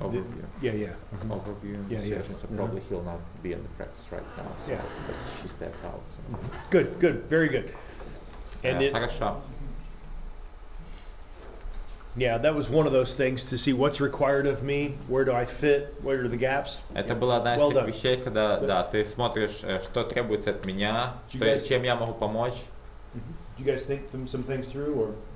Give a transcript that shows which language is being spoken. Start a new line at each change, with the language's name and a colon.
English: Overview. Overview and decisions. Yeah. So probably he'll not be in the practice right now. So yeah. But she stepped out. So. Mm-hmm. Good, good, very good. And
Russian: хорошо.
English: Yeah, that was one of those things to see what's required of me, where do I fit, where are the gaps.
Russian: Это была одна из тех вещей, когда да, ты смотришь, что требуется от меня, чем я могу помочь.
English: Do you guys think some things through, or